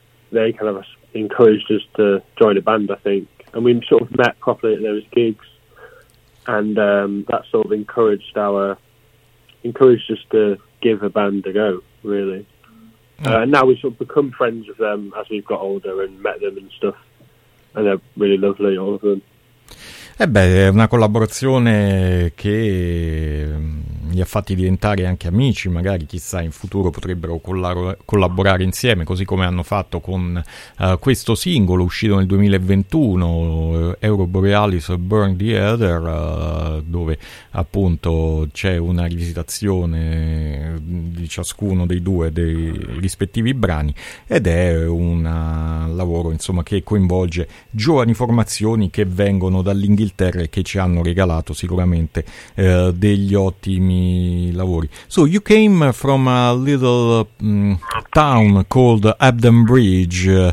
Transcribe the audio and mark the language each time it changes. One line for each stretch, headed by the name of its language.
English: They kind of encouraged us to join a band, I think. And we sort of met properly at those gigs, and that sort of encouraged us to give a band a go, really. Mm. And now we sort of become friends with them as we've got older and met them and stuff, and they're really lovely, all of them.
Italian: Eh beh, è una collaborazione che li ha fatti diventare anche amici, magari chissà in futuro potrebbero collaborare insieme, così come hanno fatto con questo singolo uscito nel 2021, Euroborealis Burn the Other, dove appunto c'è una rivisitazione di ciascuno dei due dei rispettivi brani, ed è un lavoro insomma che coinvolge giovani formazioni che vengono dall'Inghilterra e che ci hanno regalato sicuramente degli ottimi lavori.
English: So you came from a little town called Ebden Bridge.